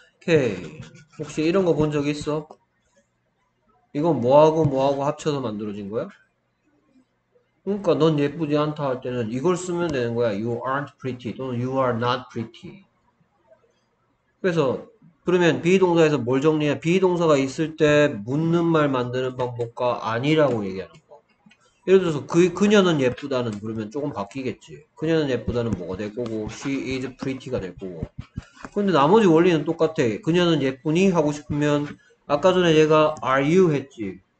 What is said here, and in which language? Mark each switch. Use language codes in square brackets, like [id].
[ko] 오케이. 혹시 이런 거본적 있어? 이건 뭐하고 뭐하고 합쳐서 만들어진 거야? 그러니까 넌 예쁘지 않다 할 때는 이걸 쓰면 되는 거야. [en] You aren't pretty [ko] 또는 [en] You are not pretty. [ko] 그래서 그러면 비동사에서 뭘 정리해? 비동사가 있을 때 묻는 말 만드는 방법과 아니라고 얘기하는 거. 예를 들어서 그녀는 예쁘다는 그러면 조금 바뀌겠지. 그녀는 예쁘다는 뭐가 될 거고 [en] She is pretty [ko] 가 될 거고. 근데 나머지 원리는 똑같아. 그녀는 예쁘니? 하고 싶으면 아까 전에 얘가 [en] Are you [ko] 했지.